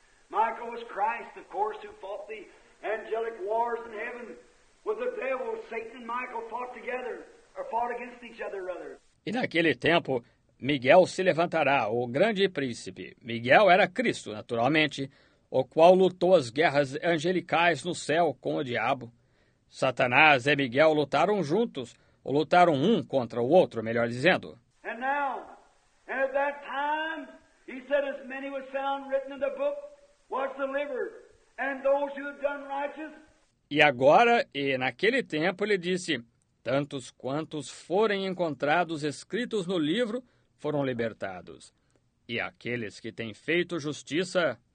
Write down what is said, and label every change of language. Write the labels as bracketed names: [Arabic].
[English] Michael was Christ, of course, who fought the angelic wars in heaven with the devil. Satan and Michael fought together, or fought against each other, rather. [Portuguese] E naquele tempo, Miguel se levantará, o grande príncipe. Miguel era Cristo, naturalmente, o qual lutou as guerras angelicais no céu com o diabo. Satanás e Miguel lutaram juntos, ou lutaram um contra o outro, melhor dizendo. [English] And now, and at that time, he said as many were found written in the book, was delivered, and those who had done righteous. [Portuguese] E agora, e naquele tempo, ele disse: tantos quantos forem encontrados escritos no livro foram libertados. E aqueles que têm feito justiça.